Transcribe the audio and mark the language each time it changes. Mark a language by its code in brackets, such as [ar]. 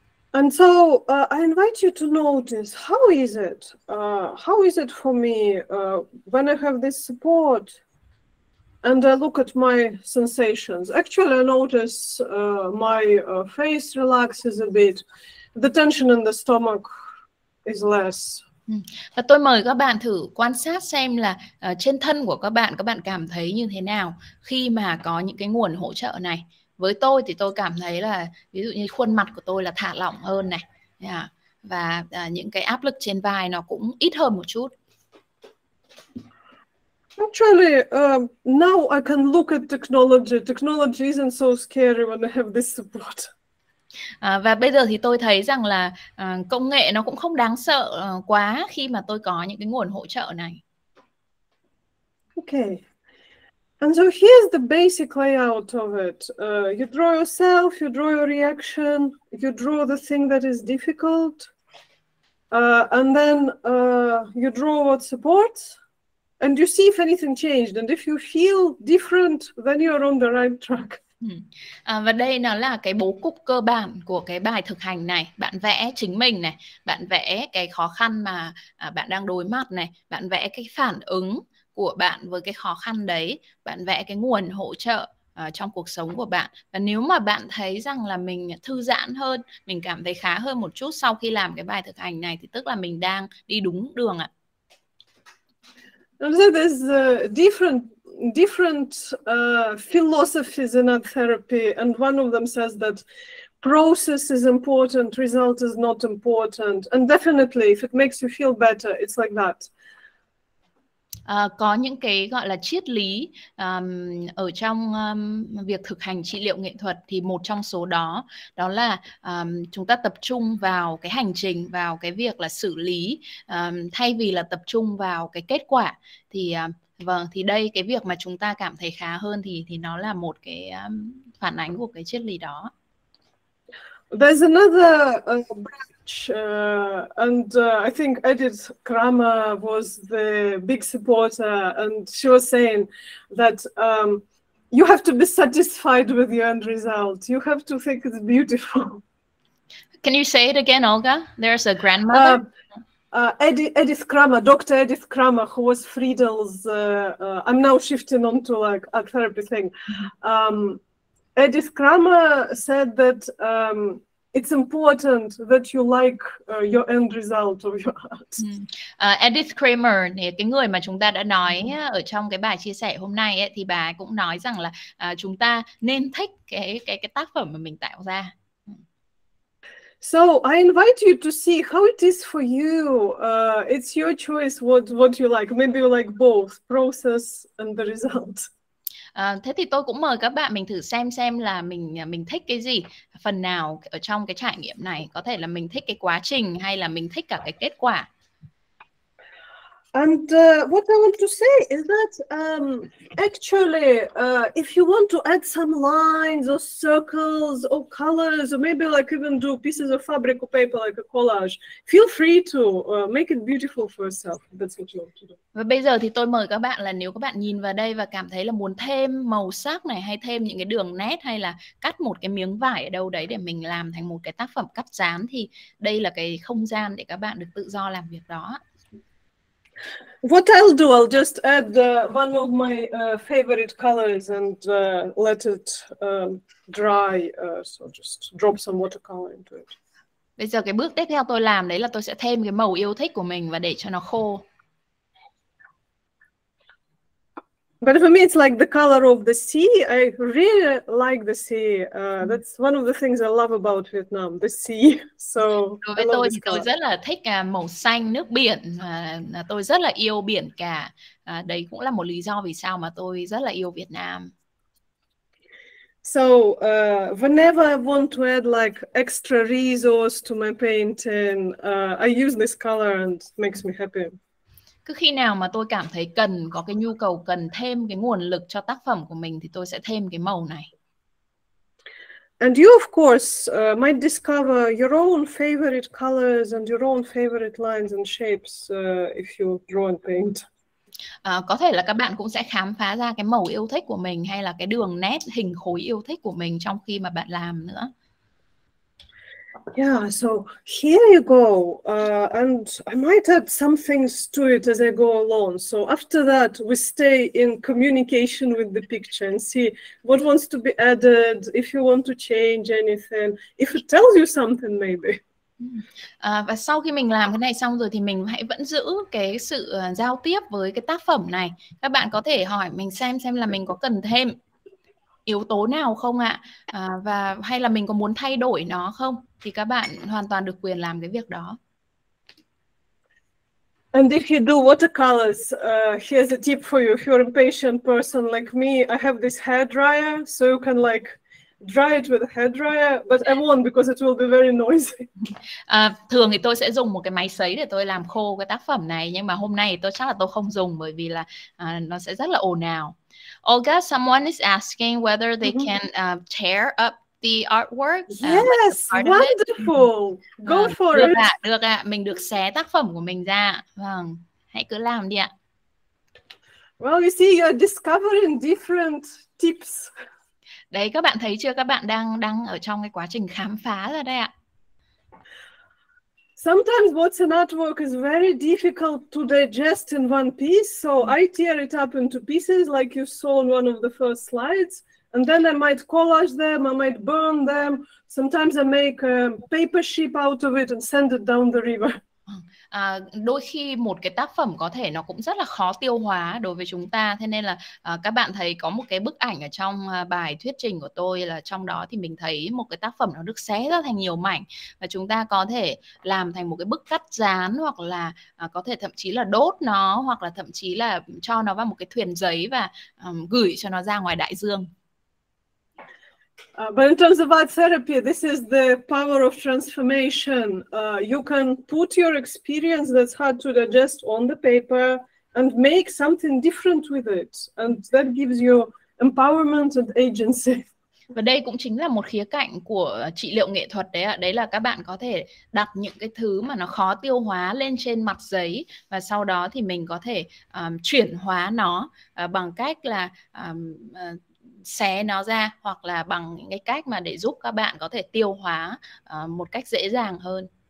[en] And so I invite you to notice, how is it for me when I have this support and I look at my sensations. Actually, I notice my face relaxes a bit, the tension in the stomach is less. [vi] Và tôi mời các bạn thử quan sát xem là trên thân của các bạn cảm thấy như thế nào khi mà có những cái nguồn hỗ trợ này. Với tôi thì tôi cảm thấy là ví dụ như khuôn mặt của tôi là thả lỏng hơn này. Yeah. Và những cái áp lực trên vai nó cũng ít hơn một chút. [en] Actually, now I can look at technology. Technology isn't so scary when I have this support. [vi] Và bây giờ thì tôi thấy rằng là công nghệ nó cũng không đáng sợ quá khi mà tôi có những cái nguồn hỗ trợ này. [en] Okay. And so here's the basic layout of it. You draw yourself, you draw your reaction, you draw the thing that is difficult, and then you draw what supports, and you see if anything changed. And if you feel different, then you're on the right track. [vi] Và đây nó là cái bố cục cơ bản của cái bài thực hành này. Bạn vẽ chính mình này, bạn vẽ cái khó khăn mà bạn đang đối mặt này, bạn vẽ cái phản ứng của bạn với cái khó khăn đấy, bạn vẽ cái nguồn hỗ trợ trong cuộc sống của bạn. Và nếu mà bạn thấy rằng là mình thư giãn hơn, mình cảm thấy khá hơn một chút sau khi làm cái bài thực hành này, thì tức là mình đang đi đúng đường ạ. [en] There's different philosophies in art therapy, and one of them says that process is important, result is not important, and definitely if it makes you feel better, it's like that. [vi] Có những cái gọi là triết lý ở trong việc thực hành trị liệu nghệ thuật, thì một trong số đó đó là chúng ta tập trung vào cái hành trình, vào cái việc là xử lý, thay vì là tập trung vào cái kết quả, thì vâng, thì đây, cái việc mà chúng ta cảm thấy khá hơn thì nó là một cái phản ánh của cái triết lý đó. [en] There's another branch, and I think Edith Cramer was the big supporter, and she was saying that you have to be satisfied with your end result. You have to think it's beautiful. Can you say it again, Olga? There's a grandmother. Edith Cramer, Dr. Edith Cramer, who was Friedel's, I'm now shifting on to like a therapy thing. Edith Cramer said that it's important that you like your end result of your art. [vi] Edith Cramer, cái người mà chúng ta đã nói ở trong cái bài chia sẻ hôm nay ấy, thì bà cũng nói rằng là chúng ta nên thích cái tác phẩm mà mình tạo ra. [en] So I invite you to see how it is for you. It's your choice what you like. Maybe you like both process and the result. [vi] Thế thì tôi cũng mời các bạn mình thử xem là mình thích cái gì, phần nào ở trong cái trải nghiệm này. Có thể là mình thích cái quá trình hay là mình thích cả cái kết quả. [en] And what I want to say is that actually, if you want to add some lines or circles or colors, or maybe like even do pieces of fabric or paper like a collage, feel free to make it beautiful for yourself. That's what you want to do. [vi] Và bây giờ thì tôi mời các bạn là nếu các bạn nhìn vào đây và cảm thấy là muốn thêm màu sắc này, hay thêm những cái đường nét, hay là cắt một cái miếng vải ở đâu đấy để mình làm thành một cái tác phẩm cắt dán, thì đây là cái không gian để các bạn được tự do làm việc đó. [en] What I'll do, I'll just add one of my favorite colors and let it dry, so just drop some watercolor into it. [vi] Bây giờ cái bước tiếp theo tôi làm đấy là tôi sẽ thêm cái màu yêu thích của mình và để cho nó khô. [en] But for me it's like the color of the sea. I really like the sea. That's one of the things I love about Vietnam, the sea. So [vi] đối với tôi thì tôi rất là thích màu xanh nước biển. Tôi rất là yêu biển cả. Đấy cũng là một lý do vì sao mà tôi rất là yêu Việt Nam. [en] So whenever I want to add like extra resource to my painting, I use this color and it makes me happy. [vi] Cứ khi nào mà tôi cảm thấy cần, có cái nhu cầu cần thêm cái nguồn lực cho tác phẩm của mình, thì tôi sẽ thêm cái màu này. [en] And you of course might discover your own favorite colors and your own favorite lines and shapes if you draw and paint. [vi] Có thể là các bạn cũng sẽ khám phá ra cái màu yêu thích của mình, hay là cái đường nét, hình khối yêu thích của mình trong khi mà bạn làm nữa. [en] Yeah, so here you go, and I might add some things to it as I go along. So after that, we stay in communication with the picture and see what wants to be added, if you want to change anything, if it tells you something maybe. [vi] Và sau khi mình làm cái này xong rồi thì mình hãy vẫn giữ cái sự giao tiếp với cái tác phẩm này. Các bạn có thể hỏi mình xem là mình có cần thêm yếu tố nào không ạ? Và hay là mình có muốn thay đổi nó không? Thì các bạn hoàn toàn được quyền làm cái việc đó. [en] And if you do watercolors, here's a tip for you. If you're an impatient person like me, I have this hair dryer, so you can like dry it with a hair dryer, but I won't because it will be very noisy. [vi] Thường thì tôi sẽ dùng một cái máy sấy để tôi làm khô cái tác phẩm này, nhưng mà hôm nay tôi chắc là tôi không dùng bởi vì là nó sẽ rất là ồn ào. [en] Olga, someone is asking whether they can tear up the artwork. Yes, wonderful. Go for [vi] được [en] it. [vi] Ạ, được ạ, mình được xé tác phẩm của mình ra. Vâng, hãy cứ làm đi ạ. [en] Well, you see, you're discovering different tips. [vi] Đấy, các bạn thấy chưa? Các bạn đang ở trong cái quá trình khám phá rồi đây ạ. [en] Sometimes what's an artwork is very difficult to digest in one piece, so I tear it up into pieces like you saw in one of the first slides, And then I might collage them, I might burn them. Sometimes I make a paper ship out of it and send it down the river. [vi] Đôi khi một cái tác phẩm có thể nó cũng rất là khó tiêu hóa đối với chúng ta. Thế nên là các bạn thấy có một cái bức ảnh ở trong bài thuyết trình của tôi, là trong đó thì mình thấy một cái tác phẩm nó được xé ra thành nhiều mảnh, và chúng ta có thể làm thành một cái bức cắt dán, hoặc là có thể thậm chí là đốt nó, hoặc là thậm chí là cho nó vào một cái thuyền giấy và gửi cho nó ra ngoài đại dương. [en] But in terms of art therapy, this is the power of transformation. You can put your experience that's hard to digest on the paper and make something different with it. And that gives you empowerment and agency. [vi] Và đây cũng chính là một khía cạnh của trị liệu nghệ thuật đấy ạ. Đấy là các bạn có thể đặt những cái thứ mà nó khó tiêu hóa lên trên mặt giấy, và sau đó thì mình có thể chuyển hóa nó bằng cách là xé nó ra, hoặc là bằng những cái cách mà để giúp các bạn có thể tiêu hóa một cách dễ dàng hơn.